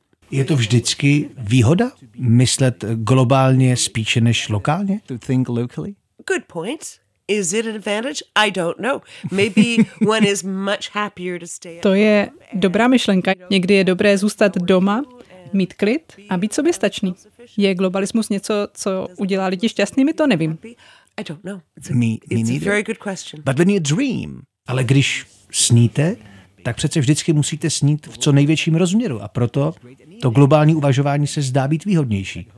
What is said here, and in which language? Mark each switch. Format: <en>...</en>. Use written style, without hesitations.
<cs>Je to vždycky výhoda myslet globálně spíše než lokálně?</cs> <en>Good point. Is it an advantage? I don't know. Maybe one is much happier to stay.</en> <cs>To je dobrá myšlenka. Někdy je dobré zůstat doma, mít klid a být soběstačný. Je globalismus něco, co udělá lidi šťastnými? To nevím.</cs> <en>I don't know. It's a very good question. But when you dream,</en> <cs>ale když sníte, tak přece vždycky musíte snít v co největším rozměru a proto to globální uvažování se zdá být výhodnější.</cs>